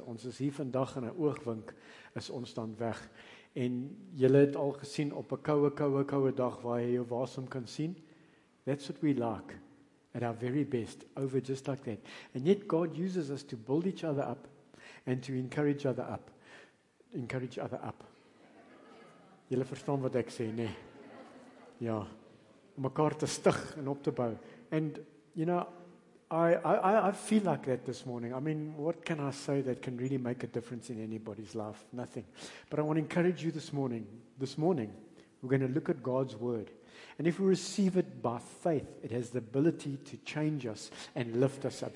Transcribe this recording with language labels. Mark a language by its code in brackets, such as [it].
[af] Ons is hier vandag in 'n oogwink is ons dan weg. En julle het al gesien op 'n koue dag waar jy jou waarsom kan sien. [en] That's what we like. At our very best, over just like that. And yet God uses us to build each other up and to encourage other up. Encourage other up. [af] Julle verstaan wat ek sê, nê? Ja. Om mekaar te stig en op te bou. [en] And, you know, I feel like that this morning. I mean, what can I say that can really make a difference in anybody's life? Nothing. But I want to encourage you this morning. This morning, we're going to look at God's Word. And if we receive it by faith, it has the ability to change us and lift us up.